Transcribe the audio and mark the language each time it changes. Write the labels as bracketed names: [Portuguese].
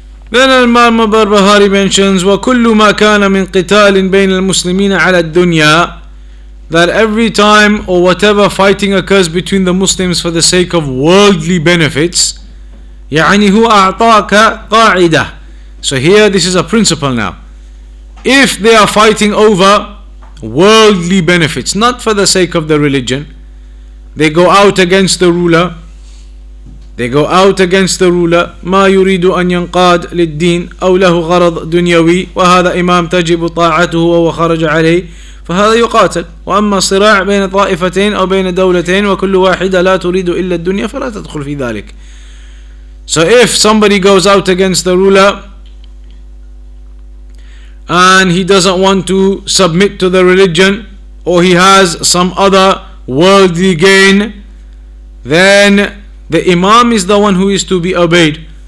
[English] Then Al-Imam al-Barbahari mentions, [Arabic] وَكُلُّ مَا كَانَ مِنْ قِتَالٍ بَيْنَ الْمُسْلِمِينَ عَلَى الدُّنْيَا. [English] That every time or whatever fighting occurs between the Muslims for the sake of worldly benefits, [Arabic] يعني هو أعطاك قاعدة. [English] So here, this is a principle now. If they are fighting over worldly benefits, not for the sake of the religion, they go out against the ruler. They go out against the ruler. [Arabic] ما يريد أن ينقاد للدين أو له غرض دنيوي وهذا إمام تجب طاعته وهو خرج عليه. فهذا يقاتل. وأما صراع بين طائفتين أو بين دولتين وكل واحدة لا تريد إلا الدنيا فلا تدخل في ذلك. [English] So if somebody goes out against the ruler and he doesn't want to submit to the religion, or he has some other worldly gain, then the imam is the one who is to be obeyed.